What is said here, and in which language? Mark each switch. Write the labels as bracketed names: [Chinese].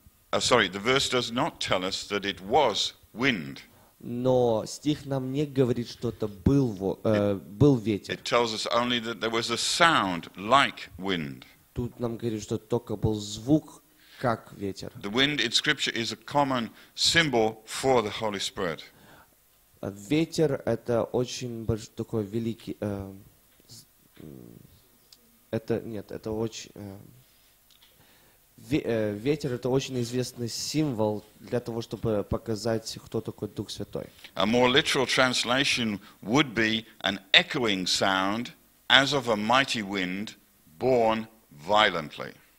[English] The verse does not tell us that it was wind. [Russian] Но стих нам не говорит, что это был, был ветер. [English] It tells us only that there was a sound like wind. [Russian] Тут нам говорит, что только был звук, как ветер. [English] The wind in scripture is a common symbol for the Holy Spirit. [Russian] Ветер — это очень большой, такой великий... Ветер — это очень известный символ для того, чтобы показать, кто такой Дух Святой. [English] A more literal translation would be an echoing sound as of a mighty wind born violently.